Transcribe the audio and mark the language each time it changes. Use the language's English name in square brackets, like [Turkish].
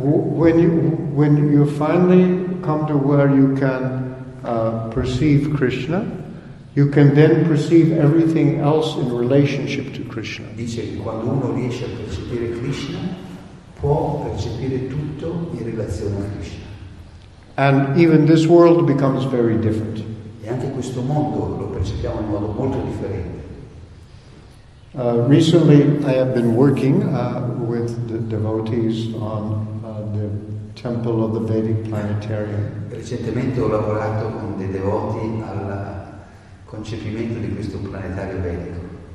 [English] when you finally come to where you can perceive Krishna, you can then perceive everything else in relationship to Krishna. [Italian] Dice che quando uno riesce a percepire Krishna può percepire tutto in relazione a Krishna. [English] And even this world becomes very different. [Italian] E anche questo mondo lo percepiamo in modo molto differente. [English] Recently, I have been working with the devotees on the temple of the Vedic planetarium. [Italian] Recentemente ho lavorato con dei devoti al concepimento di questo planetario vedico.